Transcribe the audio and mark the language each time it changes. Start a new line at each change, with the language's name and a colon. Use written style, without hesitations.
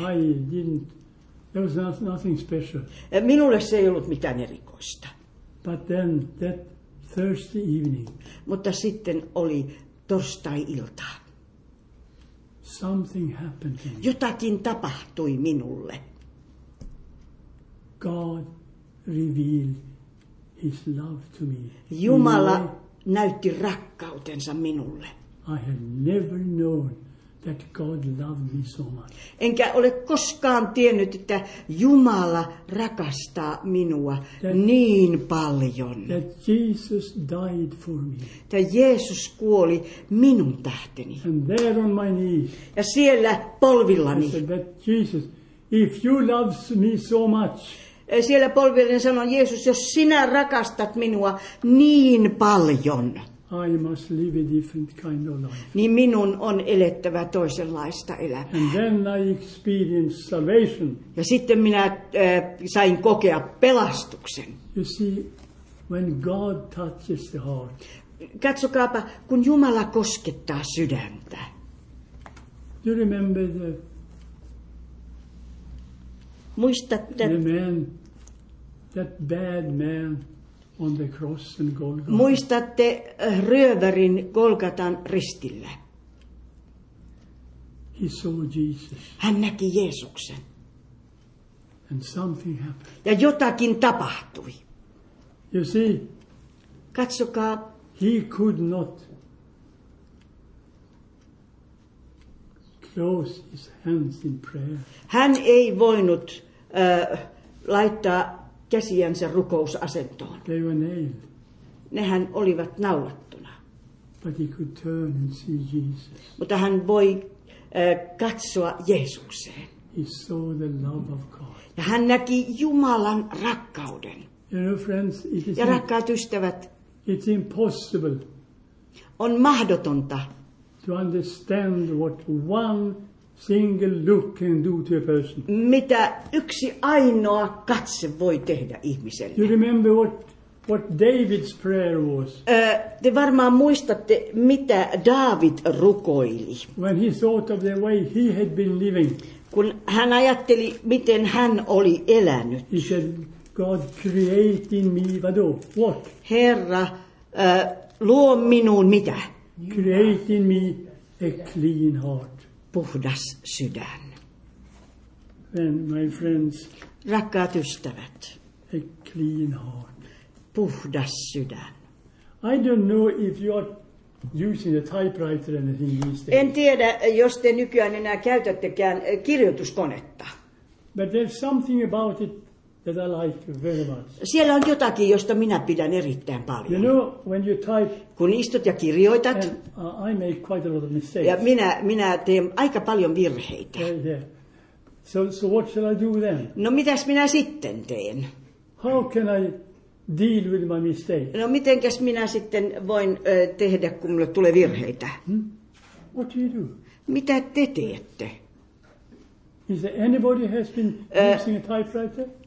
English: I didn't, there was nothing special.
Finnish: Minulle se ei ollut mitään erikoista.
English: But then that Thursday evening.
Finnish: Mutta sitten oli torstai-ilta.
English: Something happened to me.
Finnish: Jotakin tapahtui minulle.
English: God revealed his love to me.
Finnish: Jumala näytti rakkautensa minulle.
English: I had never known that God loved me so much.
Finnish: Enkä ole koskaan tiennyt, että Jumala rakastaa minua
English: that,
Finnish: niin paljon.
English: That Jesus died for me.
Finnish: Että Jeesus kuoli minun tähteni.
English: And there on my knees.
Finnish: Ja siellä polvillani.
English: I said, Jesus, if you loves me so much.
Finnish: Siellä polvillani sanon, Jeesus, jos sinä rakastat minua niin paljon.
English: I must live a different kind of life.
Finnish: Niin minun on elettävä toisenlaista elämää.
English: And then I experienced salvation.
Finnish: Ja sitten minä sain kokea pelastuksen.
English: You see, when God touches the heart.
Finnish: Katsokaapa, kun Jumala koskettaa sydäntä.
English: You remember the man, that bad man. On the cross and Golgotha.
Finnish: Muistatte ryövärin Golgatan ristillä.
English: He saw Jesus.
Finnish: Hän näki Jeesuksen.
English: And something happened.
Finnish: Ja jotakin tapahtui.
English: You see?
Finnish: Katsokaa.
English: He could not close his hands in prayer.
Finnish: Hän ei voinut laittaa käsiänsä rukousasentoon.
English: They were nailed.
Finnish: Nehän olivat naulattuna.
English: But he could turn and see Jesus.
Finnish: Mutta hän voi katsoa Jeesukseen.
English: He saw the love of God.
Finnish: Ja hän näki Jumalan rakkauden.
English: You know, friends, it is
Finnish: ja rakkaat ystävät,
English: it's impossible.
Finnish: On mahdotonta
English: to understand what one single look can do to a person.
Finnish: Mitä yksi ainoa katse voi tehdä ihmiselle?
English: You remember what David's prayer was?
Finnish: Te varmaan muistatte, mitä David rukoili.
English: When he thought of the way he had been living.
Finnish: Kun hän ajatteli, miten hän oli elänyt.
English: He said, God create in me, vado, what?
Finnish: Herra, luo minuun mitä?
English: Create in me a clean heart.
Finnish: Puhdas sydän.
English: And my friends,
Finnish: rakkaat ystävät.
English: a clean heart.
Finnish: Puhdas sydän.
English: I don't know if you are using a typewriter or anything these days.
Finnish: En tiedä, jos te nykyään enää käytättekään kirjoituskonetta.
English: But there's something about it that I like very much.
Finnish: Siellä on jotakin, josta minä pidän erittäin paljon.
English: You know, when you type,
Finnish: kun istut ja kirjoitat,
English: I make quite a lot of mistakes.
Finnish: Ja minä teen aika paljon virheitä.
English: Yeah. So what shall I do then?
Finnish: No mitäs minä sitten teen?
English: How can I deal with my mistakes?
Finnish: No mitenkäs minä sitten voin tehdä, kun minulle tulee virheitä?
English: Hmm? What do you do?
Finnish: Mitä te teette?
English: Is there anybody who has been using a typewriter?